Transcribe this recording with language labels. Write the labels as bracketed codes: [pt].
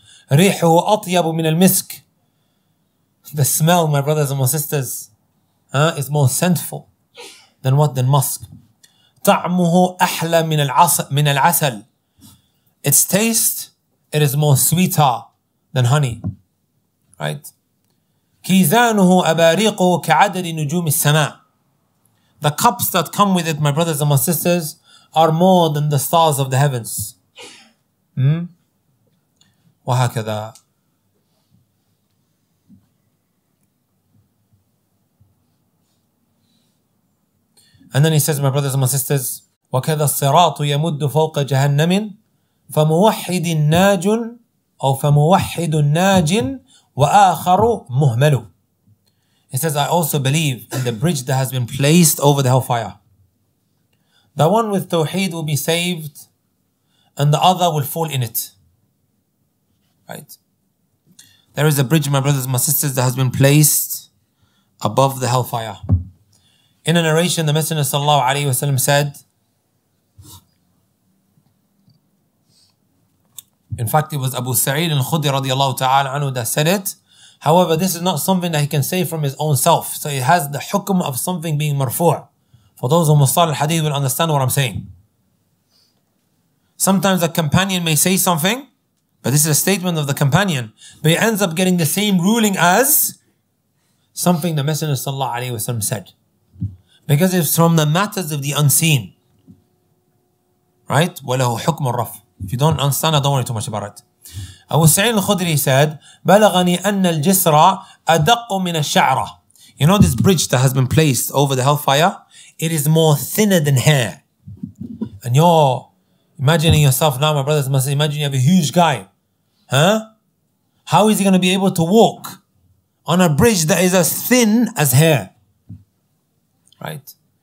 [ar] رِيحُهُ أَطْيَبُ مِنَ الْمِسْكِ. [en] The smell, my brothers and my sisters, is more scentful than what? Than musk. [ar] طَعْمُهُ أَحْلَى مِنَ الْعَسَلِ. [en] Its taste, it is more sweeter than honey. Right? [ar] كِيزَانُهُ أَبَارِيقُهُ كَعَدَدِ نُجُومِ السَّمَاءِ. [en] The cups that come with it, my brothers and my sisters, are more than the stars of the heavens. [ar] وَهَكَذَا. [en] And then he says, my brothers and my sisters, [ar] وَكَذَا الصِّرَاطُ يَمُدُّ فَوْقَ جَهَنَّمٍ فَمُوَحِّدٍ نَاجٌ أَوْ فَمُوَحِّدٌ نَاجٍ وَآخَرُ مُهْمَلُ. [en] He says, I also believe in the bridge that has been placed over the hellfire. The one with Tawheed will be saved and the other will fall in it. Right? There is a bridge, my brothers and my sisters, that has been placed above the hellfire. In a narration, the Messenger sallallahu alayhi wasallam said, in fact, it was Abu Sa'id al-Khudri radiallahu ta'ala anhu that said it. However, this is not something that he can say from his own self. So it has the hukm of something being marfu'. For those who mustal al-hadith will understand what I'm saying. Sometimes a companion may say something, but this is a statement of the companion. But he ends up getting the same ruling as something the Messenger sallallahu alayhi wasallam said. Because it's from the matters of the unseen. Right? [ar] وَلَهُ حُكْمُ الرَّفْعِ. [en] If you don't understand, I don't worry too much about it. Abu Sa'id al-Khudri said, [ar] بَلَغَنِي أَنَّ الْجِسْرَ أَدَقُّ مِنَ الشَّعْرَةِ. [en] You know this bridge that has been placed over the hellfire? It is more thinner than hair. and you're imagining yourself now, my brothers and my sisters, imagine you have a huge guy. Huh? How is he going to be able to walk on a bridge that is as thin as hair? Right?